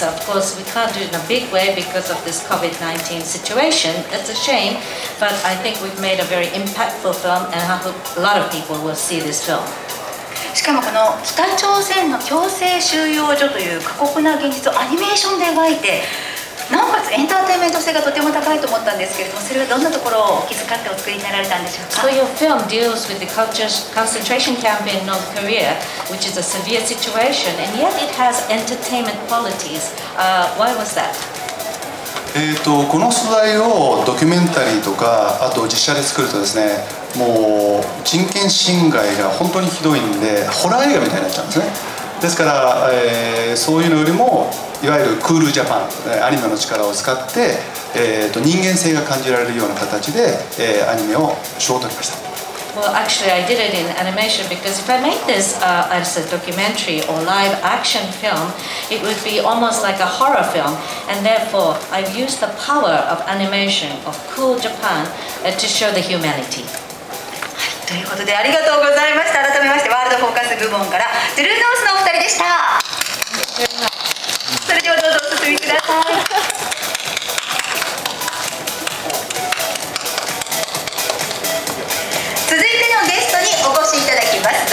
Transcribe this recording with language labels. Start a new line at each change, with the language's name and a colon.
English: Of course, we can't do it in a big way because of this COVID-19 situation. It's a shame, but I think we've made a very impactful film, and I hope a lot of people will see this film.
Japanese: しかもこの北朝鮮の強制収容所という過酷な現実をアニメーションで描いて、なおかつエンターテインメント性がとても高いと思ったんですけれども、それはどんなところを気遣ってお作りになられたんでしょうか？
English: So your film deals with the concentration camp in North Korea, which is a severe situation, and yet it has entertainment qualities. Why was that?
Japanese: この素材をドキュメンタリーとかあと実写で作るとですね、もう人権侵害が本当にひどいんで、ホラー映画みたいになっちゃうんですね。ですから、そういうのよりもいわゆるクールジャパン、アニメの力を使って、人間性が感じられるような形で、アニメを賞を取りました。
English: Well, actually, I did it in animation because if I made this as a documentary or live action film, it would be almost like a horror film. And therefore, I've used the power of animation of cool Japan to show the humanity.
Japanese: ということでありがとうございました。改めましてワールドフォーカス部門からトゥルーノースのお二人でした。それではどうぞお進みください。続いてのゲストにお越しいただきます。